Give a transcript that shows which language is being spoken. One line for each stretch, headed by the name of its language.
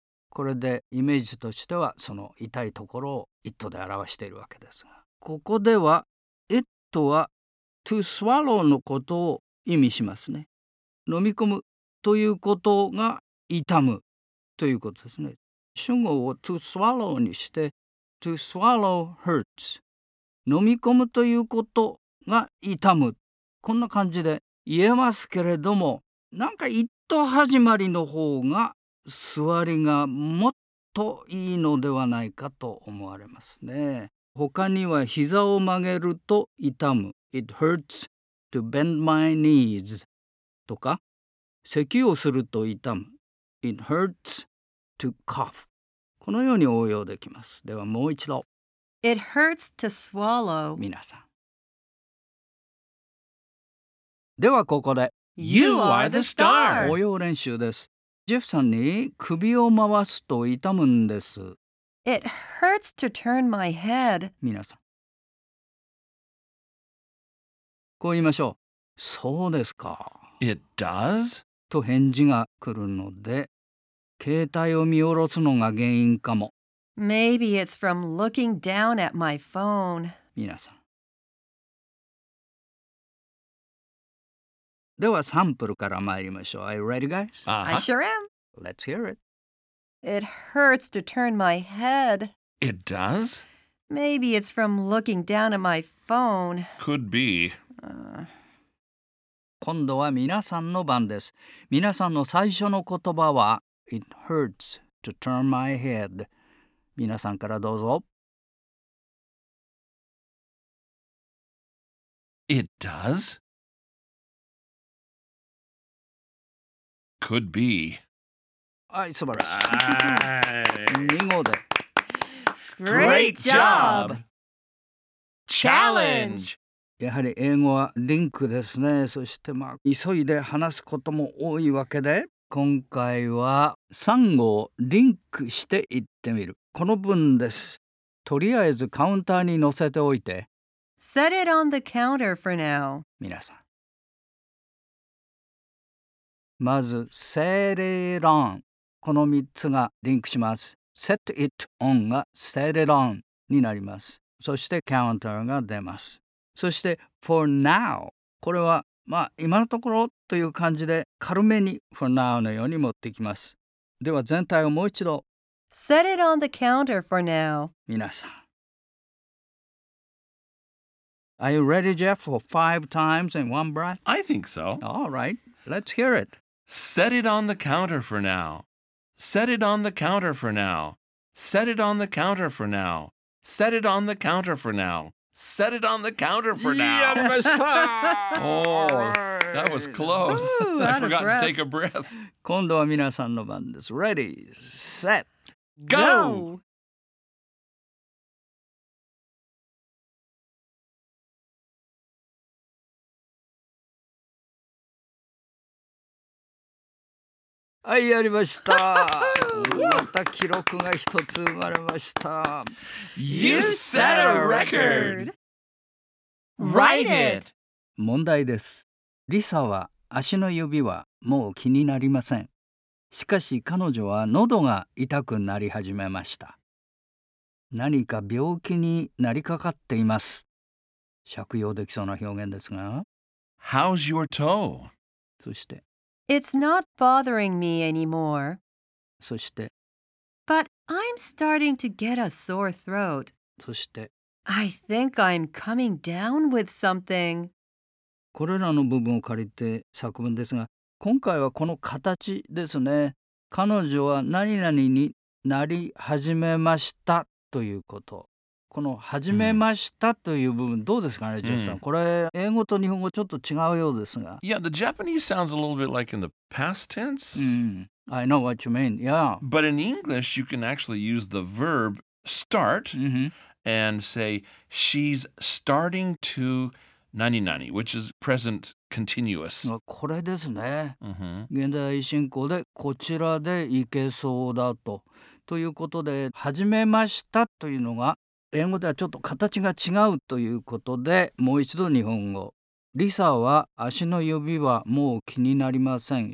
Japanese: これでイメージとしてはその痛いところを It で表しているわけですが、ここでは It は To swallow のことを意味しますね。飲み込むということが痛むということですね。主語を To swallow にして
English: To swallow hurts。
Japanese: 飲み込むということが痛む。こんな感じで言えますけれども、なんか一と始まりの方が座りがもっといいのではないかと思われますね。他には膝を曲げると痛む、
English: It hurts to bend my knees
Japanese: とか、咳をすると痛む、
English: It hurts to cough、
Japanese: このように応用できます。ではもう一度、
English: It hurts to swallow。
Japanese: 皆さん、ではここで
English: You are the star!
Japanese: 応用練習です。ジェフさんに首を回すと痛むんです。
English: It hurts to turn my head.
Japanese: 皆さん。こう言いましょう。そうですか。
English: It does?
Japanese: と返事が来るので、携帯を見下ろすのが原因かも。
English: Maybe it's from looking down at my phone.
Japanese: 皆さん。ではサンプルから参りましょう。
English: Are you ready, guys? Uh-huh. I sure am. Let's hear it. It hurts to turn my head. It does? Maybe it's from looking down at my phone. Could be.
Japanese: 今度は皆さんの番です。皆さんの最初の言葉は
English: It hurts to turn my head.
Japanese: 皆さんからどうぞ。
English: It does? Could be.
Japanese: はい、素晴らしい。見事。
English: Great job! Challenge!
Japanese: やはり英語はリンクですね。そして、まあ、急いで話すことも多いわけで、今回は3語リンクしていってみる。この文です。とりあえずカウンターに載せておいて。 Set it on the counter for now. 皆さん。
English: まず、set it on。
Japanese: この3つがリンクします。 set it on が set it on になります。そして、counter が出ます。そして、for now。これは、まあ、今のところという感じで、軽めに for now のように持ってきます。では、全体をもう一度。
English: set it on the counter for now。
Japanese: 皆さん。
English: Are you ready, Jeff, for 5 times in one breath? I think so. All right. Let's hear it. Set it on the counter for now. Set it on the counter for now. Set it on the counter for now. Set it on the counter for now. Set it on the counter for now. Yeah, my son! Oh, that was close. Ooh, I forgot to take a breath.
Japanese: 今度は皆さんの番です。
English: Ready, set, go!
Japanese: はい、やりました。また記録が一つ生まれました。 You set a record! Write it! 問題です。リサは足の指はもう気になりません。しかし彼女は喉が痛くなり始めました。何か病気になりかかっています。借用できそうな表現ですが。
English: How's your toe?
Japanese: そして、
English: It's not bothering me anymore.
Japanese: そして
English: But I'm starting to get a sore throat.
Japanese: そして
English: I think I'm coming down with something.
Japanese: これらの部分を借りて作文ですが、今回はこの形ですね。彼女は何々になり始めましたということ。この始めましたという部分どうですかね、ジェフさん。これ英語と日本語ちょっと違うようですが。
English: Yeah, the Japanese sounds a little bit like in the past tense. I know what you mean, yeah. But in English, you can actually use the verb start and say, she's starting to 何々, which is present continuous.
Japanese: これですね。現在進行でこちらで行けそうだと。ということで、始めましたというのが英語ではちょっと形が違うということで、もう一度日本語。リサは足の指はもう気になりません。